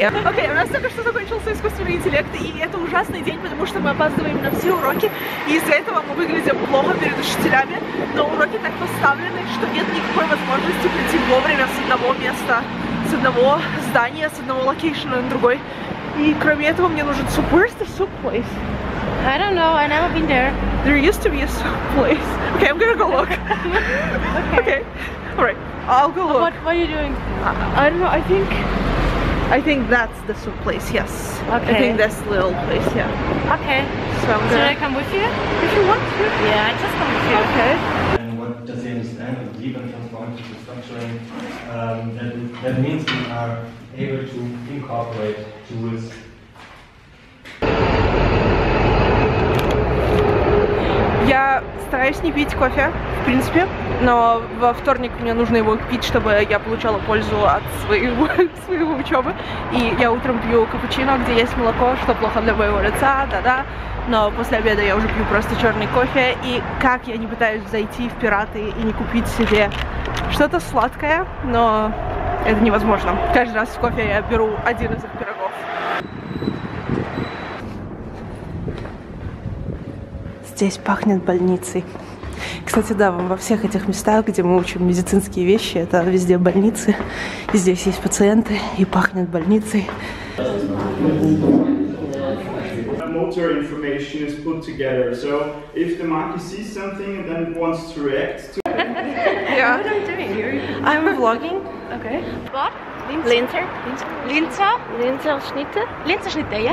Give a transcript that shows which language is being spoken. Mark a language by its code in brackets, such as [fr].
[ru] Окей, у нас только что закончился искусственный интеллект, и это ужасный день, потому что мы опаздываем на все уроки, и из-за этого мы выглядим плохо перед учителями, но уроки так поставлены, что нет никакой возможности прийти вовремя с одного места, с одного здания, с одного локейшена на другой. И кроме этого, мне нужен суп. [en] Where's the soup place? I don't know, I've never been there. There used to be a soup place. Okay, I'm gonna go look. Okay. Alright. I'll go look. What are you doing? I don't know, I think that's the soup place, yes. Okay. I think that's the little place, yeah. Okay. So I'm gonna... Should I come with you? If you want to. Yeah, I just come with you. Okay. And what does he understand of deep and transformative restructuring? That means we are able to incorporate tools. [ru] Я стараюсь не пить кофе, в принципе, но во вторник мне нужно его пить, чтобы я получала пользу от своего учебы. И я утром пью капучино, где есть молоко, что плохо для моего лица, да-да. Но после обеда я уже пью просто черный кофе. И как я не пытаюсь зайти в пираты и не купить себе что-то сладкое, но это невозможно. Каждый раз в кофе я беру один из их пирогов. Здесь пахнет больницей. Кстати, да, во всех этих местах, где мы учим медицинские вещи, это везде больницы. И здесь есть пациенты, и пахнет больницей. [en] The motor information is put together. So if the monkey sees something and then wants to react to it. Yeah. What are you doing? I'm vlogging. Okay. What? Linzer. Linzer. Linzer. Schnitte. Linzer Schnitte, yeah.